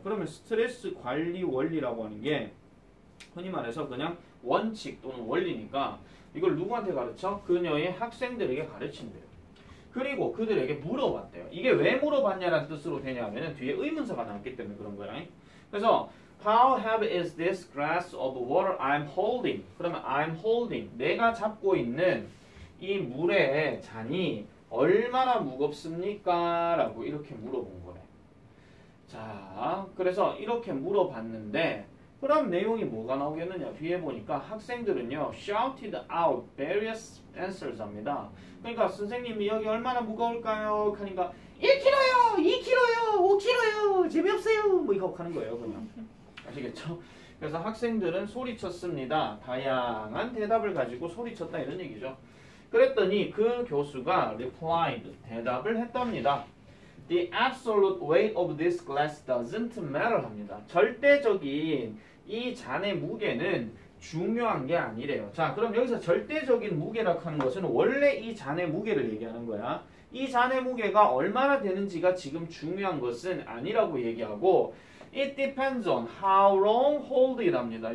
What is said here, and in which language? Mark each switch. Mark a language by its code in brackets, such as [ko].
[ko] 그러면 스트레스 관리 원리라고 하는 게 흔히 말해서 그냥 원칙 또는 원리니까 이걸 누구한테 가르쳐? 그녀의 학생들에게 가르친대요. 그리고 그들에게 물어봤대요. 이게 왜 물어봤냐라는 뜻으로 되냐면 뒤에 의문사가 나왔기 때문에 그런 거야. 그래서 [en] How heavy is this glass of water I'm holding? [ko] 그러면 I'm holding, 내가 잡고 있는 이 물의 잔이 얼마나 무겁습니까? 라고 이렇게 물어본 거래. 자, 그래서 이렇게 물어봤는데 그럼 내용이 뭐가 나오겠느냐? 뒤에 보니까 학생들은요, [en] shouted out various answers [ko] 합니다. 그러니까 선생님이 여기 얼마나 무거울까요? 하니까 1kg요! 2kg요! 5kg요! 재미없어요! 뭐 이거 하는 거예요, 그냥. 아시겠죠? 그래서 학생들은 소리쳤습니다. 다양한 대답을 가지고 소리쳤다 이런 얘기죠. 그랬더니 그 교수가 [en] replied, [ko] 대답을 했답니다. [en] The absolute weight of this glass doesn't matter [ko] 합니다. 절대적인 이 잔의 무게는 중요한 게 아니래요. 자, 그럼 여기서 절대적인 무게라고 하는 것은 원래 이 잔의 무게를 얘기하는 거야. 이 잔의 무게가 얼마나 되는지가 지금 중요한 것은 아니라고 얘기하고 [en] It depends on how long hold it [ko] 합니다.